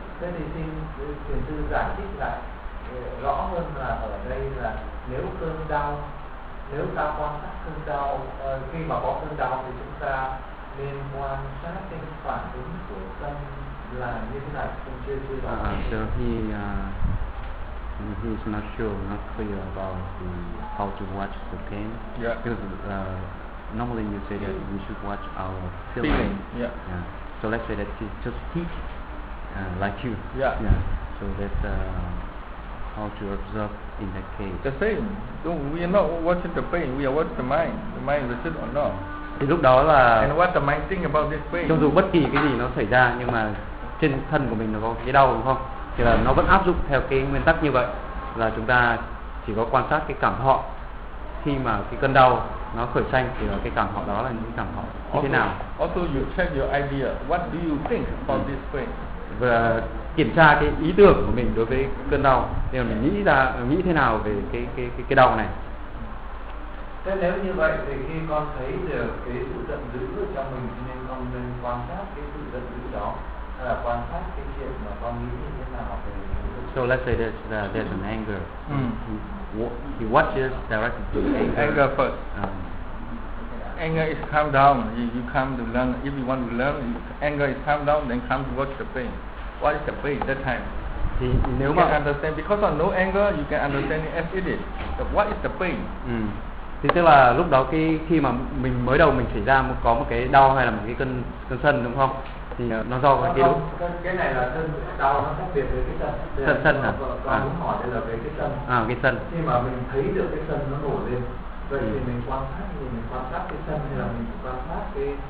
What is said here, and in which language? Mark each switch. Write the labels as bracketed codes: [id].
[vi] Thế thì xin thiền sư giải thích lại rõ hơn là ở đây là nếu cơn đau, nếu ta quan sát cơn đau, khi mà có cơn đau thì chúng ta nên quan sát cái phản ứng của tâm là như thế nào, thưa thì [en] he's not sure, not clear about the, how to watch the pain. Yeah. Because normally you say that we should watch our feeling. Yeah. Yeah. So let's say that he just teach like you. Yeah. Yeah. So that's how to observe in that case. The same. Don't, we are not watching the pain, we are watching the mind. The mind is it or not? [vi] Thì lúc đó là cho dù bất kỳ cái gì nó xảy ra nhưng mà trên thân của mình nó có cái đau đúng không, thì là nó vẫn áp dụng theo cái nguyên tắc như vậy, là chúng ta chỉ có quan sát cái cảm thọ khi mà cái cơn đau nó khởi sanh, thì là cái cảm thọ đó là những cảm thọ như thế nào. [en] Also you check your idea, what do you think about this pain, [vi] và kiểm tra cái ý tưởng của mình đối với cơn đau, thì mình nghĩ ra nghĩ thế nào về cái đau này. Thế nếu như vậy thì khi con thấy được cái sự giận dữ ở trong mình thì nên con nên quan sát cái sự giận dữ đó, hay là quan sát cái chuyện mà con nghĩ như thế nào về. [en] So let's say that there's an anger. Mm. He watches directly to anger. Anger first. Anger is calm down. You come to learn. If you want to learn, anger is calm down. Then come to watch the pain. What is the pain that time? [vi] Thì nếu [en] you [vi] mà [en] can understand because of no anger, you can understand it as it is. So what is the pain? Mm. [vi] Thì tức là lúc đó khi mà mình mới đầu mình xảy ra một, có một cái đau hay là một cái cơn sân đúng không, thì nó do cái đúng cái này là sân đau nó khác biệt với cái sân sân sân hả? Con muốn hỏi đây là về cái sân cái sân khi mà mình thấy được cái sân nó nổi lên vậy thì mình quan sát cái sân hay là mình quan sát cái